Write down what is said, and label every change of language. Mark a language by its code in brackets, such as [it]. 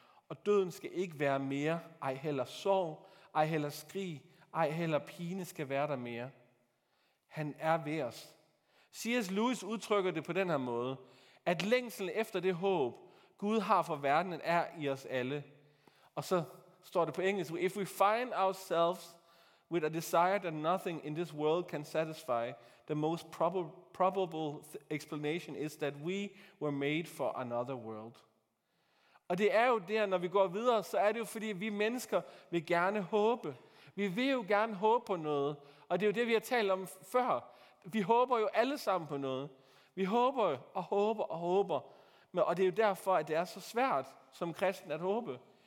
[da] Og døden skal ikke være mere, ej heller sorg, ej heller skrig, ej heller pine skal være der mere. Han er ved os. C.S. Lewis udtrykker det på den her måde, at længselen efter det håb, Gud har for verdenen, er i os alle. Og så står det på engelsk, [en] if we find ourselves with a desire that nothing in this world can satisfy, the most probable explanation is that we were made for another world. [da] Og det er jo der, når vi går videre, så er det jo fordi, vi mennesker vil gerne håbe. Vi vil jo gerne håbe på noget. Og det er jo det, vi har talt om før. Vi håber jo alle sammen på noget. Vi håber og håber og håber. Og det er jo derfor, at det er så svært som kristen at håbe.